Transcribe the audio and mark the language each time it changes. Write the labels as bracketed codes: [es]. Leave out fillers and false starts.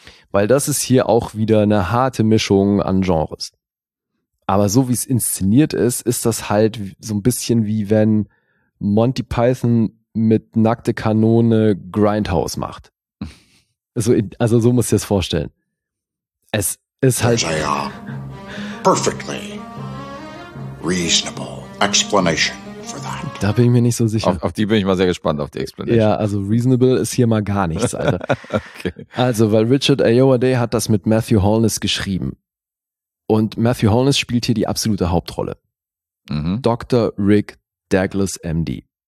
[de] Weil das ist hier auch wieder eine harte Mischung an Genres. Aber so wie es inszeniert ist, ist das halt so ein bisschen wie wenn Monty Python mit nackte Kanone Grindhouse macht. Also so musst du dir das vorstellen. Es ist halt... [en] Perfectly reasonable explanation for that. [de] Da bin ich mir nicht so sicher. Auf die bin ich mal sehr gespannt, auf die Explanation. Ja, also reasonable ist hier mal gar nichts, Alter. Okay. Also, weil Richard Ayoade hat das mit Matthew Holness geschrieben. Und Matthew Holness spielt hier die absolute Hauptrolle. Mhm. Dr. Rick Douglas, MD.